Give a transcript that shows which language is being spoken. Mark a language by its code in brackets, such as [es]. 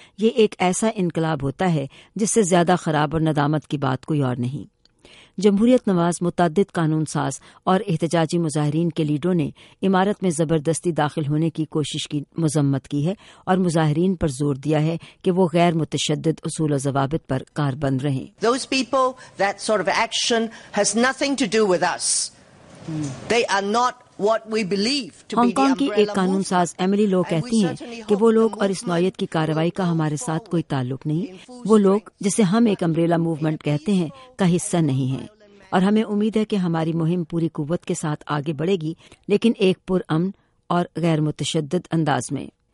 [ur] یہ ایک ایسا انقلاب ہوتا ہے جس سے زیادہ خراب اور ندامت کی بات کوئی اور نہیں. جمہوریت نواز متعدد قانون ساز اور احتجاجی مظاہرین کے لیڈروں نے عمارت میں زبردستی داخل ہونے کی کوشش کی مذمت کی ہے اور مظاہرین پر زور دیا ہے کہ وہ غیر متشدد اصول و ضوابط پر کاربند رہیں. [en] Those people, that sort of action has nothing to do with us. They are not what we believe to be. [ur] Hong Kong کی ایک قانون ساز ایملی لو کہتی ہیں کہ وہ لوگ اور اس نوعیت کی کارروائی کا ہمارے ساتھ کوئی تعلق نہیں. وہ لوگ جسے ہم ایک امبریلا موومنٹ کہتے ہیں کا حصہ نہیں ہیں. اور ہمیں امید ہے کہ ہماری مہم پوری قوت کے ساتھ آگے بڑھے گی لیکن ایک پرامن اور غیر متشدد انداز میں.